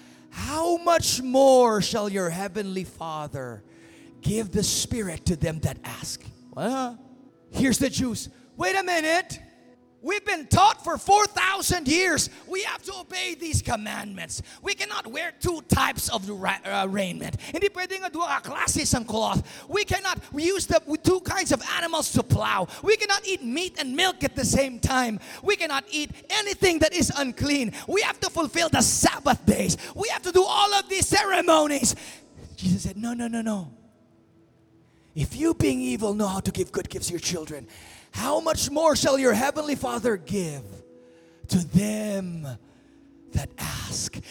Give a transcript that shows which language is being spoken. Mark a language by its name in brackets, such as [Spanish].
[English] How much more shall your heavenly Father give the Spirit to them that ask? Well, here's the Jews. Wait a minute. We've been taught for 4,000 years. We have to obey these commandments. We cannot wear two types of raiment. [Hiligaynon] Hindi pwede nga duwa klases ang cloth. [English] We cannot use the two kinds of animals to plow. We cannot eat meat and milk at the same time. We cannot eat anything that is unclean. We have to fulfill the Sabbath days. We have to do all of these ceremonies. Jesus said, no, no, no, no. If you being evil know how to give good gifts to your children, how much more shall your heavenly Father give to them that ask?